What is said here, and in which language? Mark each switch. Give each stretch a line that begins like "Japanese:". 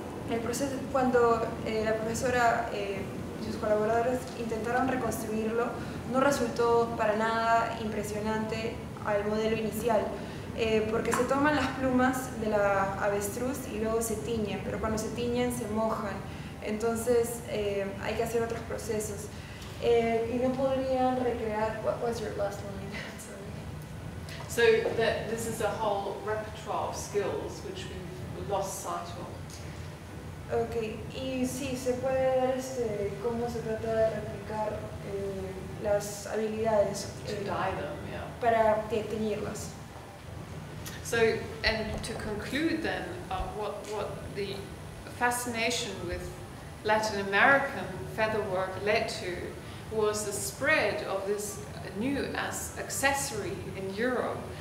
Spanish: El proceso, cuando la profesora y sus colaboradores intentaron reconstruirlo, no resultó para nada impresionante al modelo inicial, porque se toman las plumas de la avestruz y luego se tiñen, pero cuando se tiñen se mojan, entonces hay que hacer otros procesos. Y no podrían recrear...
English: What was your last line? So that this is a whole repertoire of skills which we've lost sight of.
Spanish: Okay, y sí, se puede dar cómo se trata de replicar las habilidades
English: to dye them, yeah.
Spanish: Para teñirlas.
English: So, and to conclude then, what the fascination with Latin American featherwork led to was the spread of this new as accessory in Europe.